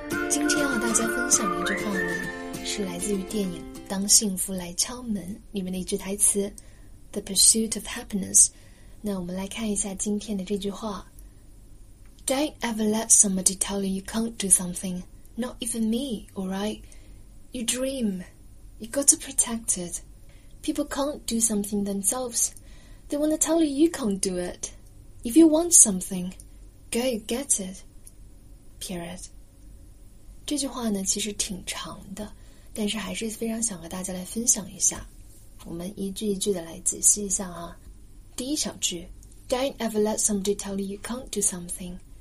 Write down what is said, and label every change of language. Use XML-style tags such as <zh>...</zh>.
<zh>今天要和大家分享的一句话呢，是来自于电影《当幸福来敲门》里面的一句台词 The pursuit of happiness。那我们来看一下今天的这句话。</zh> <en>Don't ever let somebody tell you you can't do somethingNot even me, alright? You dream. You got to protect it. People can't do something themselves. They want to tell you you can't do it. If you want something, go get it. Period.</en> <zh>这句话呢其实挺长的，但是还是非常想和大家来分享一下。我们一句一句的来仔细一下啊。第一小句，</zh> <en>Don't ever let somebody tell you you can't do something.</en>